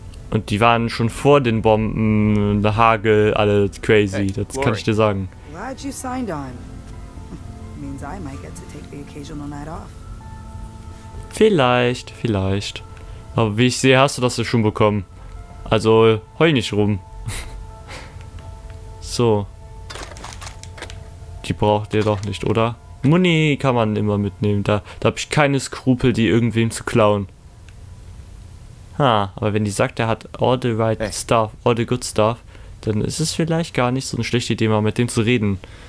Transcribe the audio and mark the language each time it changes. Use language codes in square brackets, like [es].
[de] Und die waren schon vor den Bomben, der Hagel, alle crazy. Hey, das kann ich dir sagen. [en] Glad you signed on. Means I might get to take the occasional night off. [de] Vielleicht, vielleicht. Aber wie ich sehe, hast du das schon bekommen. Also heul nicht rum. So. Die braucht ihr doch nicht, oder? Money kann man immer mitnehmen. Da habe ich keine Skrupel, die irgendwem zu klauen. Ha, aber wenn die sagt, er hat all the right stuff, all the good stuff, dann ist es vielleicht gar nicht so eine schlechte Idee, mal mit dem zu reden.